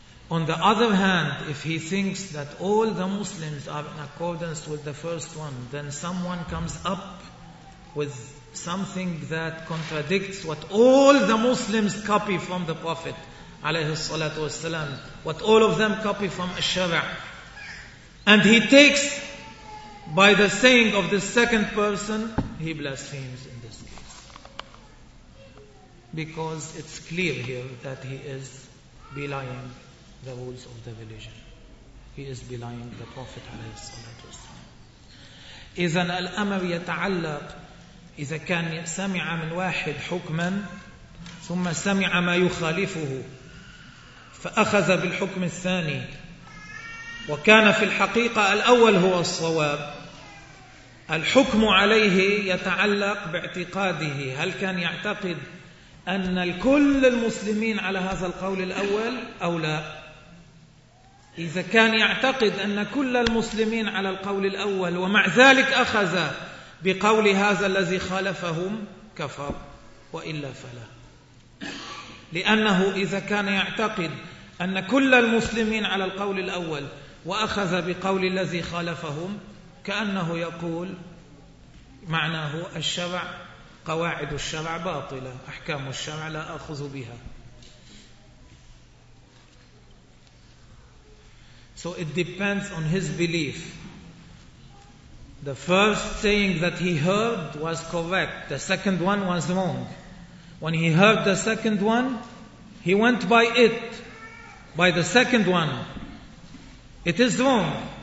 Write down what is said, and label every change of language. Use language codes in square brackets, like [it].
[en] On the other hand, if he thinks that all the Muslims are in accordance with the first one, then someone comes up with something that contradicts what all the Muslims copy from the Prophet [ar] عليه الصلاة والسلام, [en] what all of them copy from الشرع, and he takes by the saying of the second person, he blasphemes in this case, because it's clear here that he is belying the rules of the religion, he is belying the Prophet [ar] عليه الصلاة والسلام. إذن الأمر يتعلق إذا كان سمع من واحد حكما ثم سمع ما يخالفه فأخذ بالحكم الثاني وكان في الحقيقة الأول هو الصواب, الحكم عليه يتعلق باعتقاده, هل كان يعتقد أن كل المسلمين على هذا القول الأول أو لا؟ إذا كان يعتقد أن كل المسلمين على القول الأول ومع ذلك أخذ بقول هذا الذي خالفهم كفر, وإلا فلا, لأنه إذا كان يعتقد أن كل المسلمين على القول الأول وأخذ بقول الذي خالفهم كأنه يقول معناه الشرع قواعد الشرع باطلة, أحكام الشرع لا أخذ بها. [en] So it depends on his belief. The first saying that he heard was correct. The second one was wrong. When he heard the second one, he went by it, by the second one. It is wrong.